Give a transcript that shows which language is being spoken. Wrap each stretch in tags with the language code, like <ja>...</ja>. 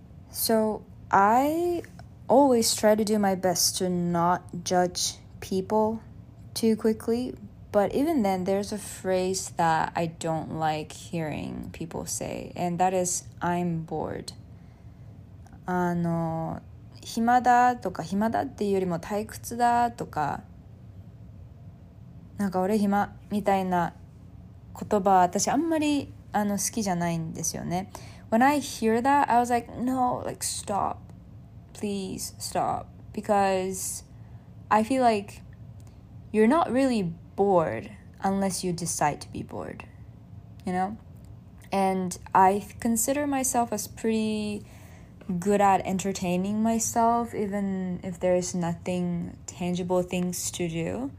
<en>So, I always try to do my best to not judge people too quickly, but even then, there's a phrase that I don't like hearing people say, and that is, I'm bored.</en> <ja>暇だとか暇だっていうよりも退屈だとか、なんか俺暇みたいな言葉、私あんまり好きじゃないんですよね。</ja> <en>When I hear that, I was like, no, like, stop. Please stop. Because I feel like you're not really bored unless you decide to be bored. You know? And I consider myself as pretty good at entertaining myself, even if there is nothing tangible things to do.</en>